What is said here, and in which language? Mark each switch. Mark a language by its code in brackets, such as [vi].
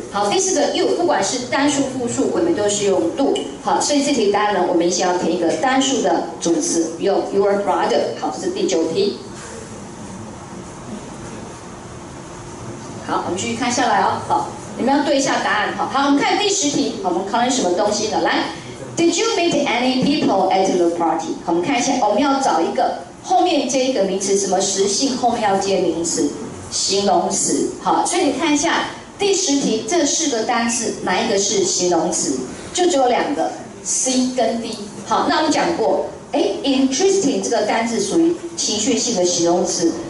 [zh] 好，第四个 you， 不管是单数、复数，我们都是用 do。好，所以这题答案呢，我们先要填一个单数的主词，用 your brother。好，这是第九题。好，我们继续看下来哦。好。你们要对一下答案，好，我们看第十题，我们考你什么东西呢？ [en] 来 ，Did you meet any people at the party？ [zh] 我们看一下，我们要找一个后面接一个名词，什么实性后面要接名词，形容词，好，所以你看一下第十题这四个单词哪一个是形容词？就只有两个 ，C 跟 D。好，那我们讲过，哎 ，interesting 这个单词属于情绪性的形容词。